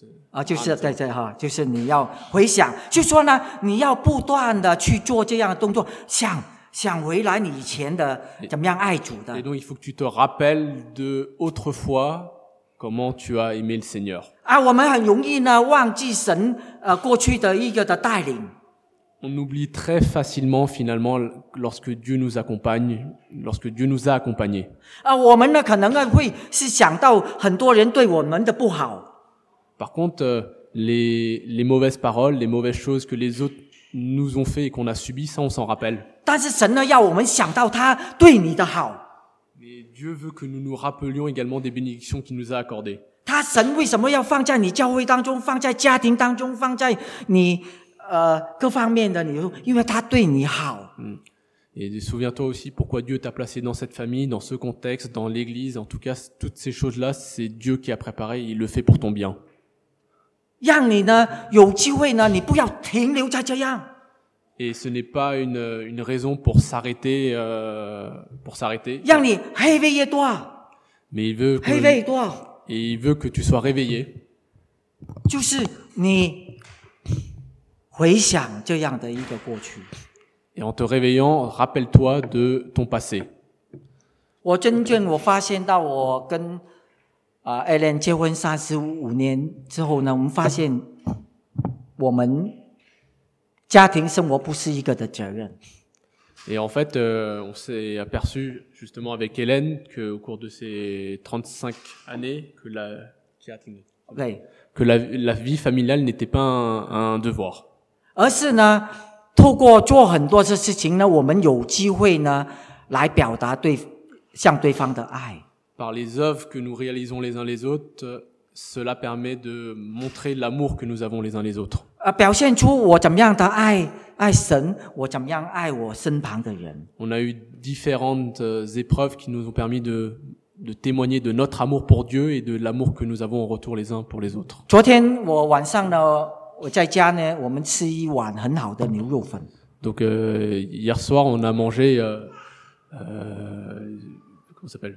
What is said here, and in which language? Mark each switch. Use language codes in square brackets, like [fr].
[zh] 啊，就是在这哈，就是你要回想，就说呢，你要不断的去做这样的动作，想想回来你以前的怎么样爱主的。 [fr] Et donc, il faut que tu te rappelles de autrefois comment tu as aimé le Seigneur. [zh] 啊，我们很容易呢忘记神过去的一个的带领。 [fr] On oublie très facilement finalement lorsque Dieu nous accompagne, lorsque Dieu nous a accompagnés. [zh] 啊，我们呢可能会是想到很多人对我们的不好。 [fr] Par contre, les mauvaises paroles, les mauvaises choses que les autres nous ont fait et qu'on a subi, ça, on s'en rappelle. [zh] 但是神呢，要我们想到他对你的好。 [fr] Mais Dieu veut que nous nous rappelions également des bénédictions qu'il nous a accordées. [zh] 他神为什么要放在你教会当中，放在家庭当中，放在你各方面的你，因为他对你好。 [fr] Et souviens-toi aussi pourquoi Dieu t'a placé dans cette famille, dans ce contexte, dans l'église. En tout cas, toutes ces choses-là, c'est Dieu qui a préparé. Il le fait pour ton bien. [zh] 让你呢有机会呢，你不要停留在这样。 [fr] Et ce n'est pas une raison pour s'arrêter, pour s'arrêter. [zh] 让你 [fr] réveille toi. Mais il veut que. Réveille toi. Et il veut que tu sois réveillé. [zh] 就是你回想这样的一个过去。 [fr] Et en te réveillant, rappelle-toi de ton passé. [zh] 我真正我发现到我跟Alan 结婚35年之后呢，我们发现我们家庭生活不是一个的责任。 [fr] Et en fait, on s'est aperçu justement avec Alan que au cours de ces 35 années que la [zh] 家庭 okay. [fr] que la vie familiale n'était pas un devoir. [zh] 而是呢，透过做很多的事情呢，我们有机会呢来表达对向对方的爱。 [fr] Par les œuvres que nous réalisons les uns les autres, cela permet de montrer l'amour que nous avons les uns les autres. [zh] 表现出我怎么样的爱神，我怎么样爱我身旁的人。 [fr] On a eu différentes épreuves qui nous ont permis de témoigner de notre amour pour Dieu et de l'amour que nous avons en retour les uns pour les autres. [zh] 昨天我晚上呢，我在家呢，我们吃一碗很好的牛肉粉。 [fr] Donc, hier soir, on a mangé, comment s'appelle?